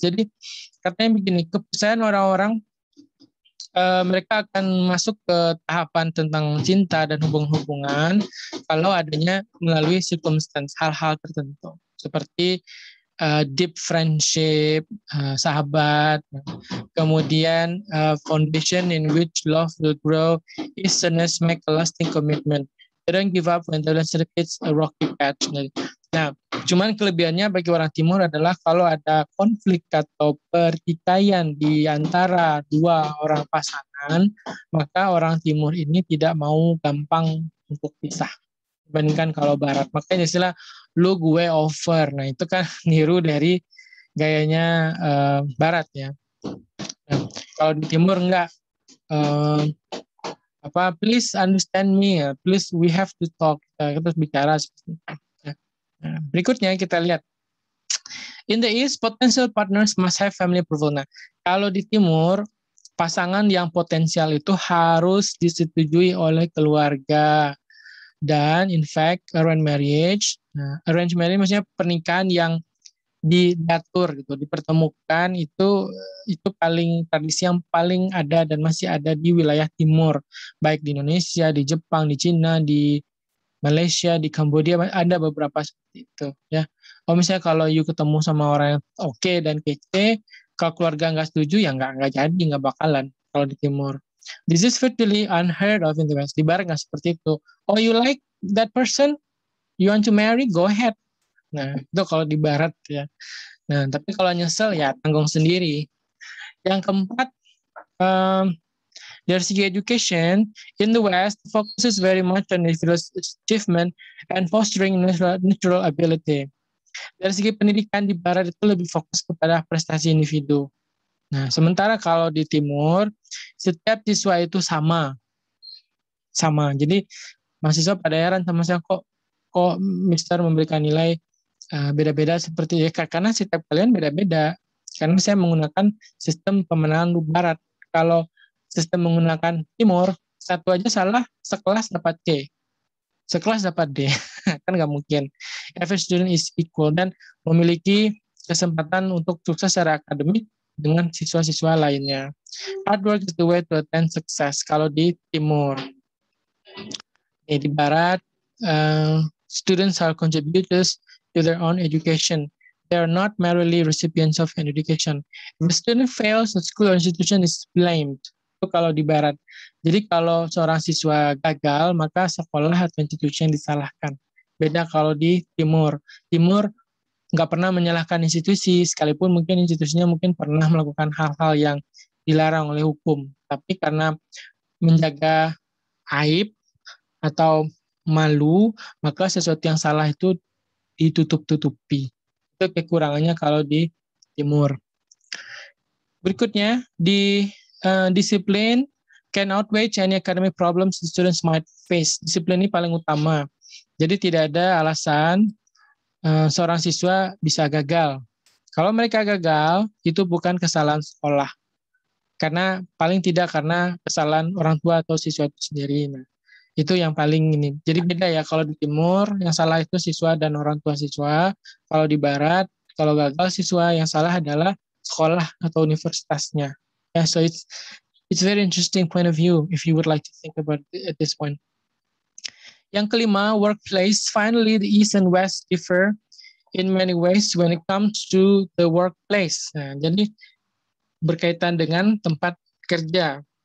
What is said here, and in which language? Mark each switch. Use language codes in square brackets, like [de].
[id] Jadi katanya begini, kepercayaan orang-orang mereka akan masuk ke tahapan tentang cinta dan hubungan-hubungan kalau adanya melalui circumstance, hal-hal tertentu. [en] Seperti deep friendship, [id] sahabat, kemudian [en] foundation in which love will grow, easterners make a lasting commitment. They don't give up when the relationship hits a rocky patch. [id] Nah, cuman kelebihannya bagi orang Timur adalah kalau ada konflik atau pertikaian di antara dua orang pasangan, perdamaian, maka orang Timur ini tidak mau gampang untuk pisah dibandingkan kalau Barat. Makanya istilah lu gue over, nah itu kan niru dari gayanya Barat ya. Nah, kalau di Timur enggak, apa [en] please understand me, please we have to talk, [id] kita harus bicara. Berikutnya kita lihat. [en] In the East, potential partners must have family approval. [id] Nah, kalau di Timur, pasangan yang potensial itu harus disetujui oleh keluarga. Dan [en] in fact, arranged marriage [id] maksudnya pernikahan yang didatur gitu, dipertemukan itu paling tradisi yang paling ada dan masih ada di wilayah Timur, baik di Indonesia, di Jepang, di Cina, di Malaysia, di Kamboja, ada beberapa seperti itu ya. Oh, misalnya kalau you ketemu sama orang yang oke dan kece, kalau keluarga nggak setuju ya nggak jadi, nggak bakalan kalau di Timur. [en] This is virtually unheard of in the West. [id] Di Barat nggak seperti itu. [en] Oh, you like that person? You want to marry? Go ahead. [id] Nah, itu kalau di Barat ya. Nah, tapi kalau nyesel ya tanggung sendiri. Yang keempat, dari segi [en] education, in the West, focuses very much on individual achievement and fostering natural ability. [id] Dari segi pendidikan di Barat itu lebih fokus kepada prestasi individu. Nah, sementara kalau di Timur, setiap siswa itu sama. Sama. Jadi, mahasiswa pada heran sama saya, kok Mister memberikan nilai beda-beda seperti ya, karena setiap kalian beda-beda. Karena saya menggunakan sistem pemenangan Barat. Kalau sistem menggunakan Timur, satu aja salah, sekelas dapat C. Sekelas dapat D. Kan nggak mungkin. [en] Every student is equal [id] dan memiliki kesempatan untuk sukses secara akademik dengan siswa-siswa lainnya. [en] Hard work is the way to attain success. [id] Kalau di Timur. Ya, di Barat, [en] students are contributors to their own education. They are not merely recipients of an education. If a student fails, the school or institution is blamed. [id] Itu kalau di Barat. Jadi kalau seorang siswa gagal, maka sekolah atau institution disalahkan. Beda kalau di Timur. Timur nggak pernah menyalahkan institusi, sekalipun mungkin institusinya mungkin pernah melakukan hal-hal yang dilarang oleh hukum. Tapi karena menjaga aib atau malu, maka sesuatu yang salah itu ditutup-tutupi. Itu kekurangannya kalau di Timur. [en] Berikutnya, di discipline can outweigh any academic problems students might face. [id] Disiplin ini paling utama. Jadi tidak ada alasan seorang siswa bisa gagal. Kalau mereka gagal, itu bukan kesalahan sekolah. Karena paling tidak karena kesalahan orang tua atau siswa itu sendiri. Nah, itu yang paling ini. Jadi beda ya, kalau di Timur yang salah itu siswa dan orang tua siswa. Kalau di Barat, kalau gagal siswa yang salah adalah sekolah atau universitasnya. [en] Yeah, so it's very interesting point of view if you would like to think about it at this point. [id] Yang kelima, [en] workplace. Finally, the East and West differ in many ways when it comes to the workplace. [id] Nah, jadi berkaitan dengan tempat kerja.